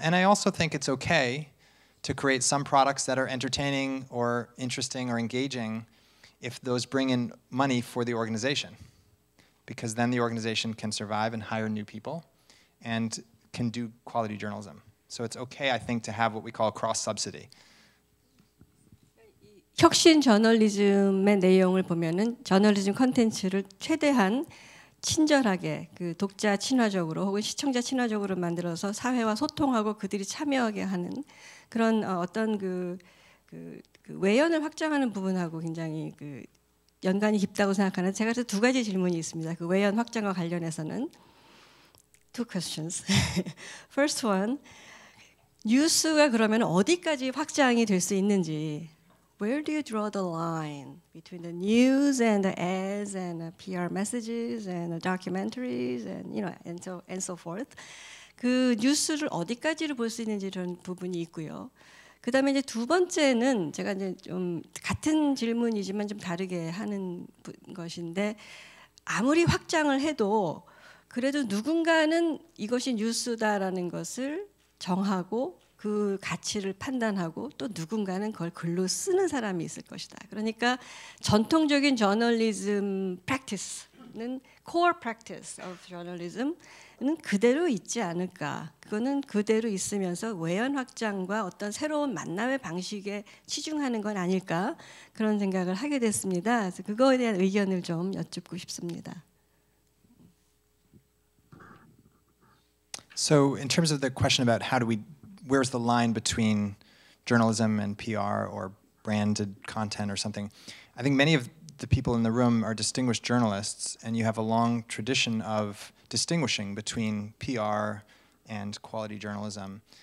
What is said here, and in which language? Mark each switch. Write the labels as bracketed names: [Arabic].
[English] And I also think it's okay to create some products that are entertaining or interesting or engaging if those bring in money for the organization, because then the organization can survive and hire new people and can do quality journalism. So it's okay, I think, to have what we call cross-subsidy. [Korean] 혁신 저널리즘의 내용을 보면은 저널리즘 콘텐츠를 최대한 친절하게 그 독자 친화적으로 혹은 시청자 친화적으로 만들어서 사회와 소통하고 그들이 참여하게 하는 그런 어떤 그 외연을 확장하는 부분하고 굉장히 그 연관이 깊다고 생각하는 제가 두 가지 질문이 있습니다. 그 외연 확장과 관련해서는 [English] two questions. First one, [Korean] 뉴스가 그러면 어디까지 확장이 될 수 있는지. [English] Where do you draw the line between the news and the ads and the PR messages and the documentaries and you know and so forth? [Korean] 그 뉴스를 어디까지를 볼 수 있는지 이런 부분이 있고요. 그다음에 이제 두 번째는 제가 이제 좀 같은 질문이지만 좀 다르게 하는 것인데 아무리 확장을 해도 그래도 누군가는 이것이 뉴스다라는 것을 정하고 그 가치를 판단하고 또 누군가는 그걸 글로 쓰는 사람이 있을 것이다. 그러니까 전통적인 저널리즘 practice는 [English] core practice of journalism [Korean] 는 그대로 있지 않을까. 그거는 그대로 있으면서 외연 확장과 어떤 새로운 만남의 방식에 치중하는 건 아닐까 그런 생각을 하게 됐습니다. 그래서 그거에 대한 의견을 좀 여쭙고 싶습니다. [English] So in terms of the question about how do we where's the line between journalism and PR or branded content or something? I think many of the people in the room are distinguished journalists, and you have a long tradition of distinguishing between PR and quality journalism.